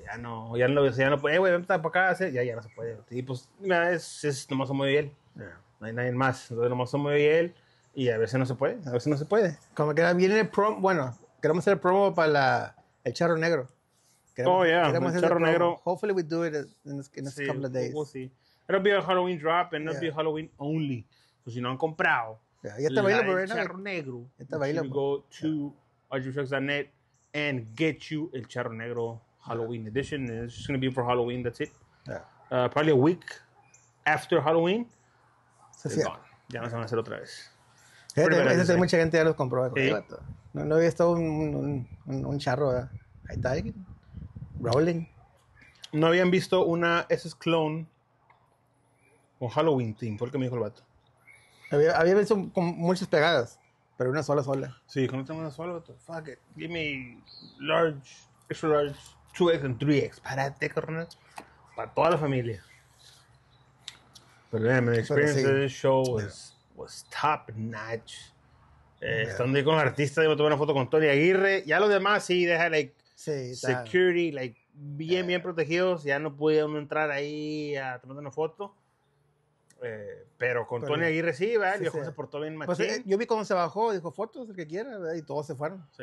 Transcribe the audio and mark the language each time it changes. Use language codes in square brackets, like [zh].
[es] Ya no puede, güey, vente para acá, ya no se puede. Y pues, mira, es nomás somos yo y él, no hay nadie más, entonces nomás somos yo y él, y a veces no se puede. Como que viene el promo, bueno, queremos hacer el promo para el Charro Negro. Queremos el Charro Negro. [en] Hopefully we do it in a couple of days. We'll see. It'll be a Halloween drop and it'll be Halloween only. [es] So si no han comprado. Ya está bailando, pero el Charro Negro. Ya está bailando. [en] You go to archivetrucks.net and get you el Charro Negro Halloween edition. And it's just going to be for Halloween, that's it. Yeah. Probably a week after Halloween. [es] Se cierra. Ya no se van a hacer otra vez. Sí, mucha gente ya los compró. No, no había estado un charro, ¿verdad? Ahí está alguien. Rolling. No habían visto una SS Clone con Halloween Team, fue el que me dijo el vato. Había visto con muchas pegadas, pero una sola. Sí, con una sola, vato. [en] Fuck it. Give me large, extra large, 2X and 3X. [es] Parate, coronel. Para toda la familia. [en] Pero, man, the experience of this show was top notch. [es] Estando ahí con los artistas, yo tomé una foto con Tony Aguirre. Ya los demás, sí, deja, like, sí, security, tal. Like, bien protegidos. Ya no pude uno entrar ahí a tomar una foto. Pero Tony Aguirre sí, ¿verdad? Sí, y se portó bien machín. Pues, yo vi cómo se bajó, dijo fotos, el que quiera, ¿verdad? Y todos se fueron. Sí.